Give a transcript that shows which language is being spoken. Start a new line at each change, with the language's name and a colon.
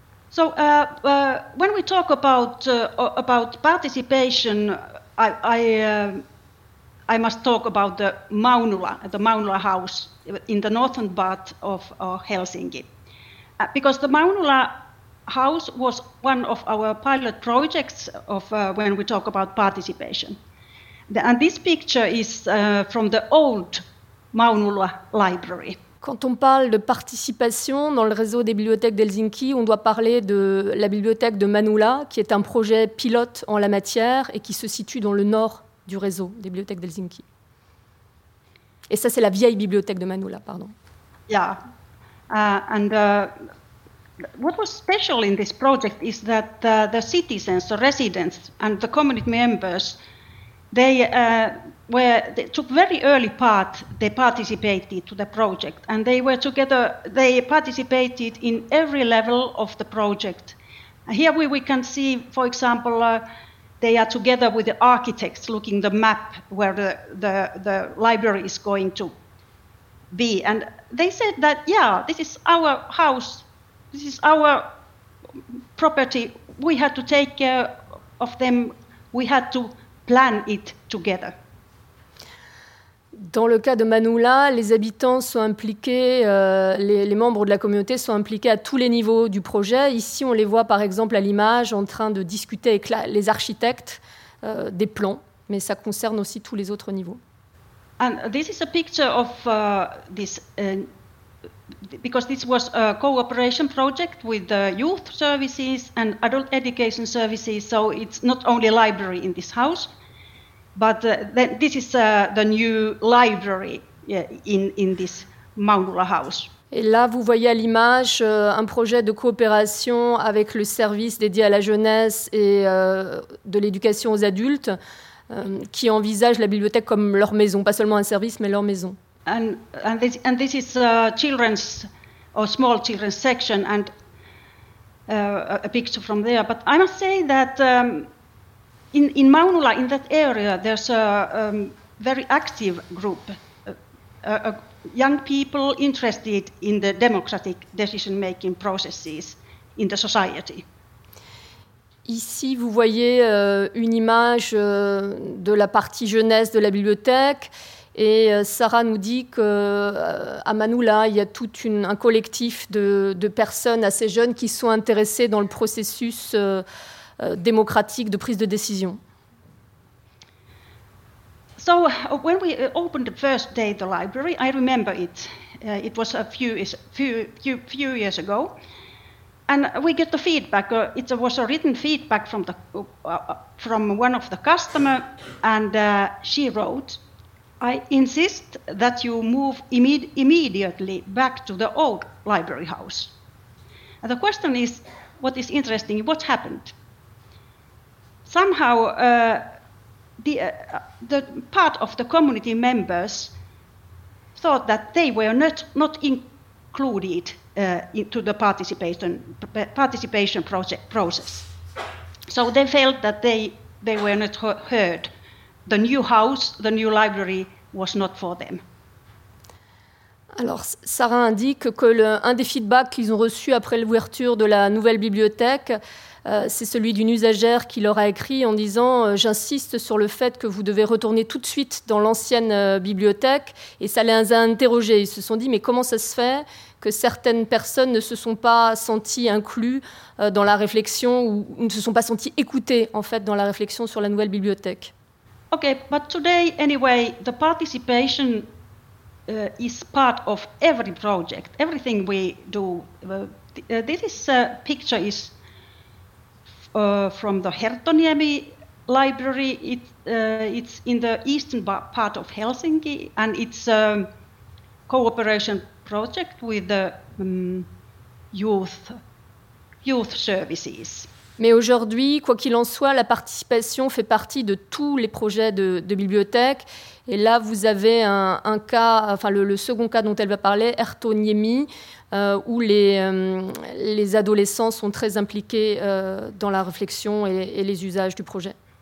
English: So when we talk about participation, I must talk about the Maunula house in the northern part of Helsinki, because the Maunula house was one of our pilot projects of when we talk about participation, and this picture is from the old Maunula library.
French: Quand on parle de participation dans le réseau des bibliothèques d'Helsinki, on doit parler de la bibliothèque de Maunula, qui est un projet pilote en la matière et qui se situe dans le nord du réseau des bibliothèques d'Helsinki. Et ça, c'est la vieille bibliothèque de Maunula, pardon.
English: Yeah. And what was special in this project is that the citizens, the residents and the community members, they took very early part. They participated to the project, and they were together. They participated in every level of the project. Here we can see, for example, they are together with the architects looking the map where the library is going to be. And they said that, yeah, this is our house. This is our property. We had to take care of them. We had to plan it together.
French: Dans le cas de Maunula, les habitants sont impliqués, les membres de la communauté sont impliqués à tous les niveaux du projet. Ici, on les voit par exemple à l'image en train de discuter avec les architectes des plans, mais ça concerne aussi tous les autres niveaux.
English: And this is a picture of this because this was a cooperation project with the youth services and adult education services, so it's not only a library in this house. But this is the new library in this Maunula house.
French: Et là, vous voyez à l'image un projet de coopération avec le service dédié à la jeunesse et de l'éducation aux adultes qui envisage la bibliothèque comme leur maison, pas seulement un service, mais leur maison.
English: And this is a children's or small children's section and a picture from there. But I must say that In Maunula, in that area, there's a very active group, young people interested in the democratic decision-making processes in the society.
French: Ici, vous voyez une image de la partie jeunesse de la bibliothèque. Et Sarah nous dit qu'à Maunula, il y a tout un collectif de personnes assez jeunes qui sont intéressées dans le processus démocratique de prise de décision.
English: So when we opened the first day the library, I remember it. It was a few years ago, and we get the feedback. It was a written feedback from one of the customer, and she wrote, "I insist that you move immediately back to the old library house." And the question is, what is interesting? What happened? Somehow, the part of the community members thought that they were not included into the participation process. So they felt that they were not heard. The new house, the new library, was not for them.
French: Alors, Sarah indique que un des feedbacks qu'ils ont reçus après l'ouverture de la nouvelle bibliothèque, c'est celui d'une usagère qui leur a écrit en disant « J'insiste sur le fait que vous devez retourner tout de suite dans l'ancienne bibliothèque ». Et ça les a interrogés. Ils se sont dit « Mais comment ça se fait que certaines personnes ne se sont pas senties incluses dans la réflexion ou ne se sont pas senties écoutées, en fait, dans la réflexion sur la nouvelle bibliothèque ?»
English: Ok, but today, anyway, the participation is part of every project, everything we do. This picture is from the Herttoniemi library. It's in the eastern part of Helsinki, and it's a cooperation project with the youth youth services.
French: Mais aujourd'hui, quoi qu'il en soit, la participation fait partie de tous les projets de bibliothèque. Et là, vous avez un cas, enfin le second cas dont elle va parler, Ertoniemi, où les adolescents sont très impliqués dans la réflexion et les usages du projet.